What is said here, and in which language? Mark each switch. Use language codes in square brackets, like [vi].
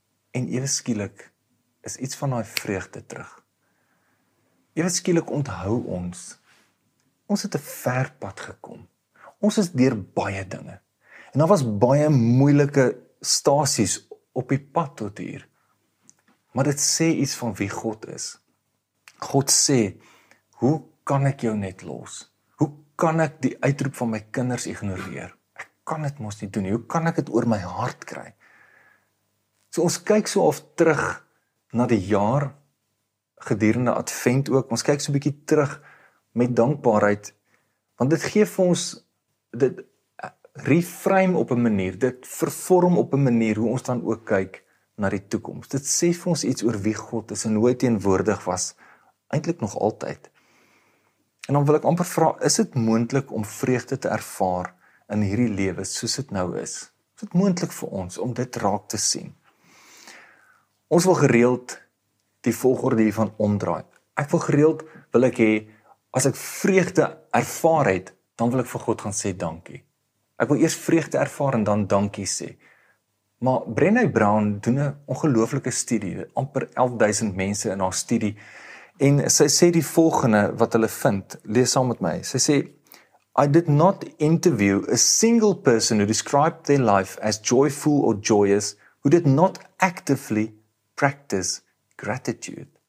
[af] En eweskielik is iets van daai vreugde terug. Eweskielik onthou ons, ons het 'n ver pad gekom. Ons is deur baie dinge. En daar was baie moeilike stasies op die pad tot hier. Maar dit sê iets van wie God is. God sê, hoe kan ek jou net los? Hoe kan ek die uitroep van my kinders ignoreer? Ek kan dit mos nie doen nie. Hoe kan ek dit oor my hart kry? So ons kyk so af terug na die jaar, gedurende Advent ook. Ons kyk so 'n bietjie terug met dankbaarheid, want dit gee vir ons dit reframe op 'n manier, dit vervorm op 'n manier hoe ons dan ook kyk na die toekoms. Dit sê vir ons iets oor wie God is en hoe hy teenwoordig was, eintlik nog altyd. En dan wil ek amper vra, is dit moontlik om vreugde te ervaar in hierdie lewe soos dit nou is? Is dit moontlik vir ons om dit raak te sien? Ons wil gereeld die volgorde hiervan omdraai. Ek wil gereeld, wil ek hê, as ek vreugde ervaar het, dan wil ek vir God gaan sê dankie. Ek wil eers vreugde ervaar en dan dankie sê. Maar Brené Brown doen 'n ongelooflike studie, amper 11.000 mense in haar studie, en sy sê die volgende wat hulle vind, lees saam met my, sy sê, [en] I did not interview a single person who described their life as joyful or joyous who did not actively practice gratitude.